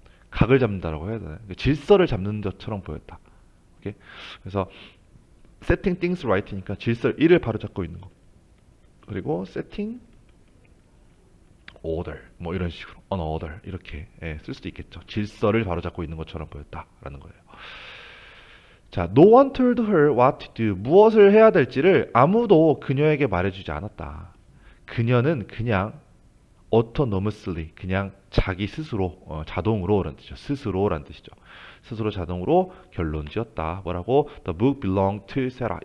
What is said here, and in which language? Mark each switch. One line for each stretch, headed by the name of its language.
Korean: 각을 잡는다라고 해야 되나요? 질서를 잡는 것처럼 보였다. 오케이? 그래서
English: setting things right
Korean: 니까 질서 1을 바로 잡고 있는 거. 그리고
English: setting order
Korean: 뭐 이런 식으로 an order 이렇게 예, 쓸 수도 있겠죠. 질서를 바로 잡고 있는 것처럼 보였다라는 거예요.
English: 자, no one told her what to do.
Korean: 무엇을 해야 될지를 아무도 그녀에게 말해주지 않았다. 그녀는 그냥 autonomously 그냥 자기 스스로 자동으로라는 뜻이죠. 스스로라는 뜻이죠. 스스로 자동으로 결론 지었다. 뭐라고?
English: The book belonged to Sarah.